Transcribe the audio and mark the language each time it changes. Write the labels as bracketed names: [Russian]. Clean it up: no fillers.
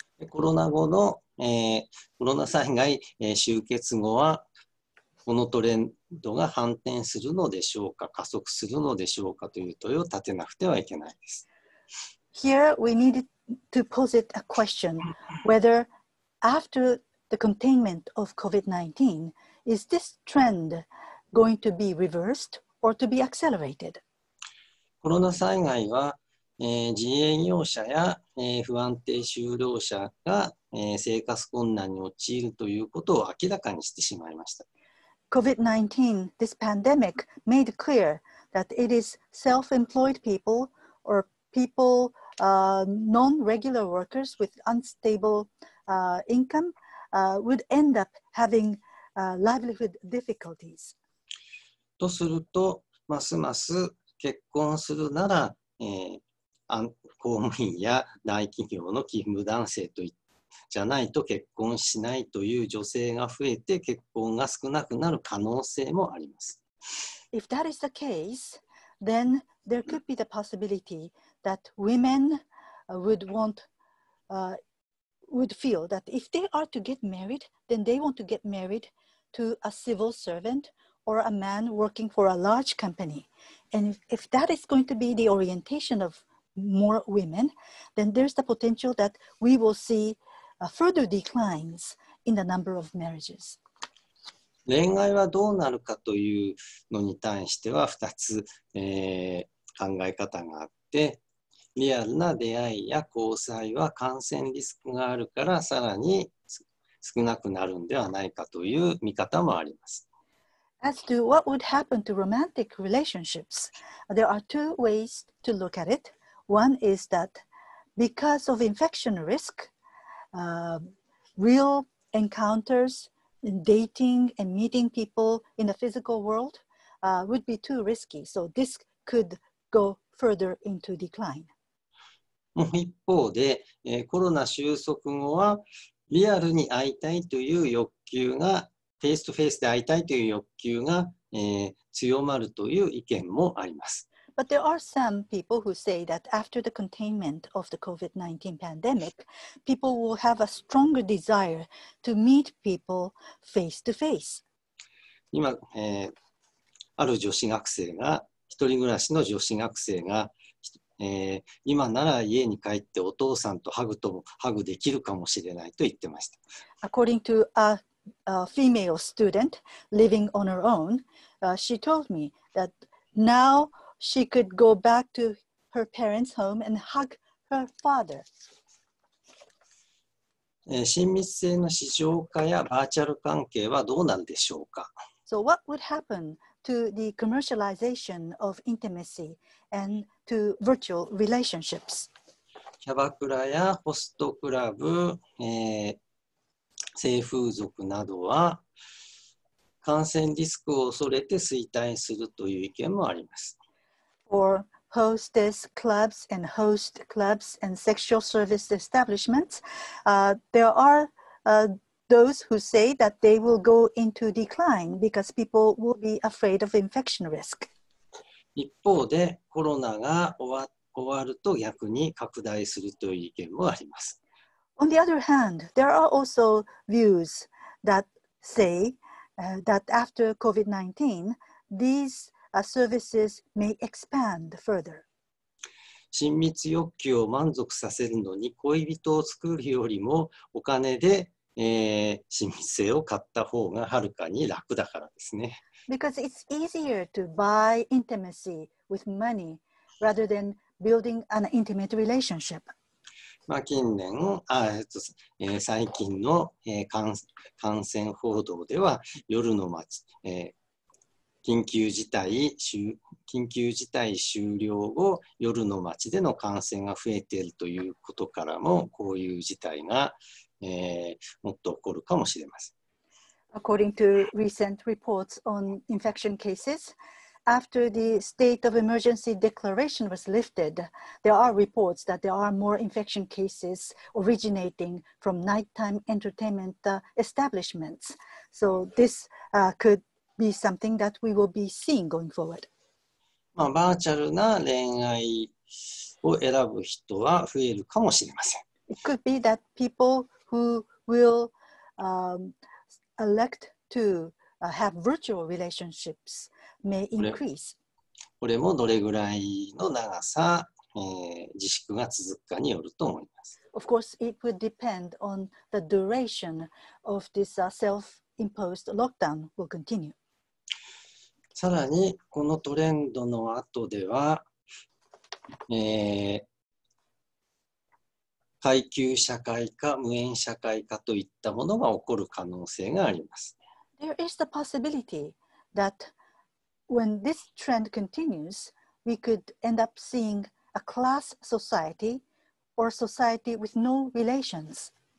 [Japanese] コロナ後の、コロナ災害、終結後はこのトレンドが反転するのでしょうか、加速するのでしょうかという問いを立てなくてはいけないです。 [English] Here we need to posit a question whether after the containment of COVID-19, is this trend going to be reversed or to be accelerated? [Japanese] コロナ災害は、自営業者や、不安定就労者が、生活困難に陥るということを明らかにしてしまいました。 [English] COVID-19, this pandemic made clear that it is self-employed people or people, non-regular workers with unstable, income, would end up having, livelihood difficulties. [Japanese] とすると、ますます結婚するなら、公務員や大企業の勤務男性といったじゃないと結婚しないという女性が増えて結婚が少なくなる可能性もあります。 [English] If that is the case, then there could be the possibility that women would want, would feel that if they are to get married, then they want to get married to a civil servant or a man working for a large company. And if that is going to be the orientation of more women, then there's the potential that we will see. Further declines in the number of marriages. [Japanese] 恋愛はどうなるかというのに対しては2つ、考え方があって、リアルな出会いや交際は感染リスクがあるからさらに少なくなるのではないかという見方もあります。 [English] As to what would happen to romantic relationships, there are two ways to look at it. One is that because of infection risk,real encounters, dating and meeting people in the physical world, would be too risky. So this could go further into decline. [Japanese] もう一方で、コロナ収束後はリアルに会いたいという欲求が、フェイスとフェイスで会いたいという欲求が、強まるという意見もあります。 [English] But there are some people who say that after the containment of the COVID-19 pandemic, people will have a stronger desire to meet people face to face. [Japanese] 今、ある女子学生が、一人暮らしの女子学生が、今なら家に帰ってお父さんとハグできるかもしれないと言ってました。 [English] According to a female student living on her own, she told me that now... She could go back to her parents' home and hug her father. [Japanese] 親密性の市場化やバーチャル関係はどうなんでしょうか? [English] So what would happen to the commercialization of intimacy and to virtual relationships? [Japanese] キャバクラやホストクラブ、性風俗などは感染リスクを恐れて衰退するという意見もあります。 [English] Or hostess clubs and host clubs and sexual service establishments, there are those who say that they will go into decline because people will be afraid of infection risk. [Japanese] 一方で、コロナが終わると逆に拡大するという意見もあります。 [English] On the other hand, there are also views that say, that after COVID-19, theseservices may expand further. [Japanese] 親密欲求を満足させるのに恋人を作るよりもお金で、親密性を買った方がはるかに楽だからですね。 [English] Because it's easier to buy intimacy with money rather than building an intimate relationship. [Japanese] まあ近年、最近の、感染報道では夜の街、緊急事態終了後、夜の街での感染が増えているということからも、こういう事態が、もっと起こるかもしれません。 [English] According to recent reports on infection cases, after the state of emergency declaration was lifted, there are reports that there are more infection cases originating from nighttime entertainment establishments. So this couldbe something that we will be seeing going forward. [Japanese] まあ、バーチャルな恋愛を選ぶ人は増えるかもしれません。 [English] It could be that people who will, elect to, have virtual relationships may increase. [Japanese] これもどれぐらいの長さ、自粛が続くかによると思います。 [English] Of course, it would depend on the duration of this self-imposed lockdown will continue. [Japanese] さらにこのトレンドの後では、階級社会か無縁社会かといったものが起こる可能性があります。 [English] There is the possibility that when this trend continues, we could end up seeing a class society or society with no relations.